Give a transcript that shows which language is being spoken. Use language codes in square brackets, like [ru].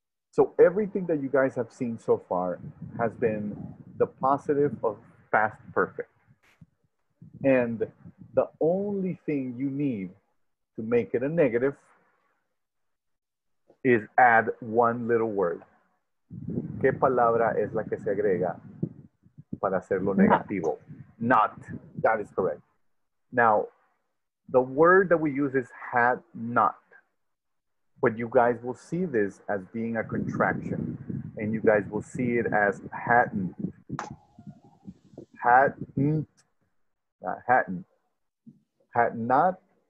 [en] So everything that you guys have seen so far has been the positive of past perfect. And the only thing you need to make it a negative is add one little word. [es] ¿Qué palabra es la que se agrega para hacerlo negativo? [en] Not. That is correct. Now, the word that we use is had not. But you guys will see this as being a contraction. And you guys will see it as hadn't. Hadn't. Hadn't. Had not.